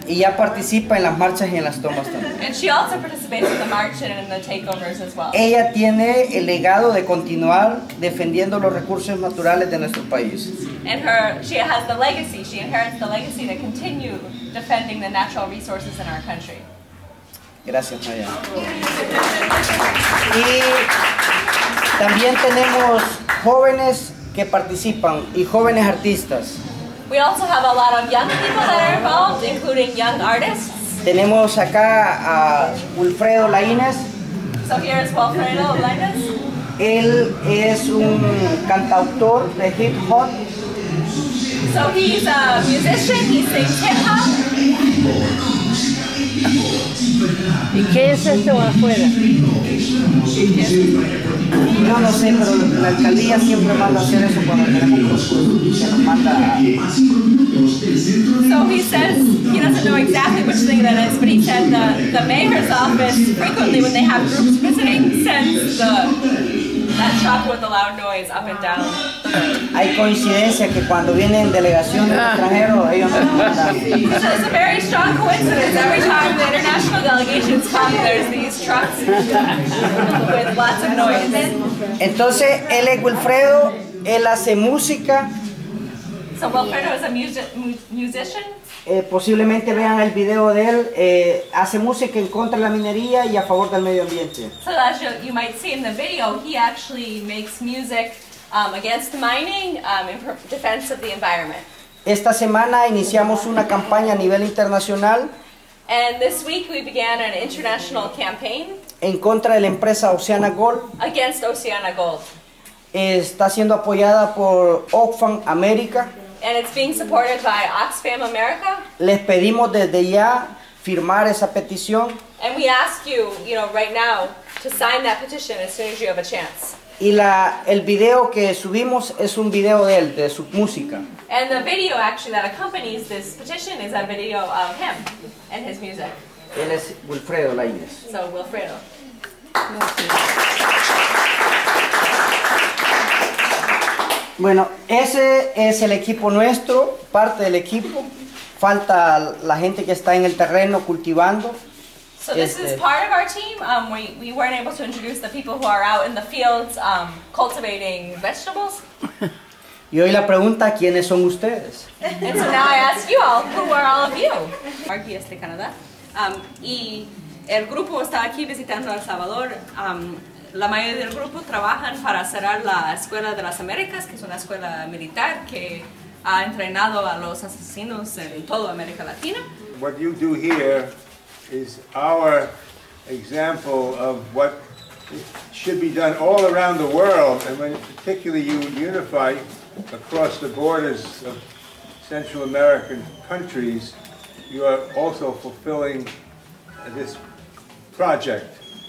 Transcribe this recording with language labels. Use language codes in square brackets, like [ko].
[es] Y ya participa en las marchas y en las tomas también. [en] And she also participates in the march and in the takeovers as well. [es] Ella tiene el legado de continuar defendiendo los recursos naturales de nuestro país. [en] And her, she has the legacy. She inherits the legacy to continue defending the natural resources in our country. [es] Gracias, Maya. Y también tenemos jóvenes que participan y jóvenes artistas. [en] We also have a lot of young people that are involved, including young artists. [es] Tenemos acá a Wilfredo Laínez. [en] So here is Wilfredo Laínez. [es] Él es un cantautor de hip hop. [en] So he's a musician, he sings hip hop. [es] ¿Y qué es esto afuera? Yo no sé, pero la alcaldía siempre manda a hacer eso cuando tenemos concursos. Se nos manda a... [en] So he says he doesn't know exactly which thing that is, but he said the mayor's office frequently when they have groups visiting sends that truck with the loud noise up and down. [es] Hay coincidencia que cuando vienen delegaciones extranjeros ellos se mandan. [en] It's a very strong coincidence. Every time the international delegations come, there's these trucks with lots of noise. [es] Entonces él es Wilfredo, él hace música. [en] So Wilfredo is a musician. [es] Posiblemente vean el video de él, hace música en contra de la minería y a favor del medio ambiente. [en] So as you might see in the video, he actually makes music against mining, in defense of the environment. [es] Esta semana iniciamos una campaña a nivel internacional. [en] And this week we began an international campaign. [es] En contra de la empresa Oceana Gold. [en] Against Oceana Gold. [es] Está siendo apoyada por Oxfam América. [en] And it's being supported by Oxfam America. [es] Les pedimos desde ya firmar esa petición. [en] And we ask you, you know, right now to sign that petition as soon as you have a chance. [es] Y la, el video que subimos es un video de él, de su música. [en] And the video actually that accompanies this petition is a video of him and his music. [es] Él es Wilfredo Laínez. [en] So, Wilfredo. [es] Bueno, ese es el equipo nuestro, parte del equipo. Falta la gente que está en el terreno cultivando. [en] So this is part of our team. We weren't able to introduce the people who are out in the fields cultivating vegetables. [es] Y hoy la pregunta, ¿quiénes son ustedes? [en] And so now I ask you all, who are all of you? [es] Aquí es de Canadá. Y el grupo está aquí visitando El Salvador. La mayoría del grupo trabajan para cerrar la Escuela de las Américas, que es una escuela militar que ha entrenado a los asesinos en toda América Latina. [en] What you do here is our example of what should be done all around the world, and when particularly you unify across the borders of Central American countries, you are also fulfilling this project.